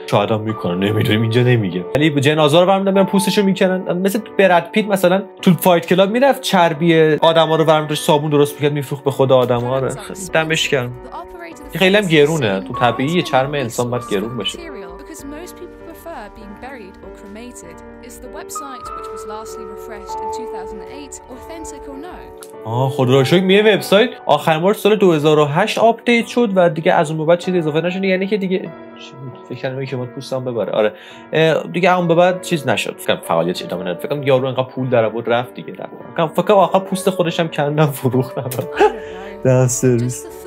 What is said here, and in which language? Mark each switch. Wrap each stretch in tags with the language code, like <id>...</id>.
<fa>شاید هم میکنن نمیدونیم، اینجا نمیگه. ولی جنازه رو برمی دارن پوستشو میکنن، مثل براد پیت مثلا تو فایت کلاب میرفت چربی آدما رو برمی داشت صابون درست میکرد میفروخت به خود آدما. آره دمش گرم، خیلی هم گرونه. تو طبیعیه چرم انسان باید گرون بشه.</fa> <en>Because most people prefer being buried or cremated. Is the website which was lastly refreshed in 2008 authentic or no?</en> <fa>آه خدا رو شکر میه وبسایت آخرین بار سال 2008 آپدیت شد و دیگه از اون به بعد چیزی اضافه نشد. یعنی که دیگه فکر کنم که ما پوستام ببره. آره دیگه اون به بعد چیز نشد، فکر کنم فعالیت ادامه نداره، فکر کنم یارو انقدر پول داره بود رفت دیگه. رفت کنم فکر کنم آخر پوست خودش هم کندم فروختم دسترس.</fa>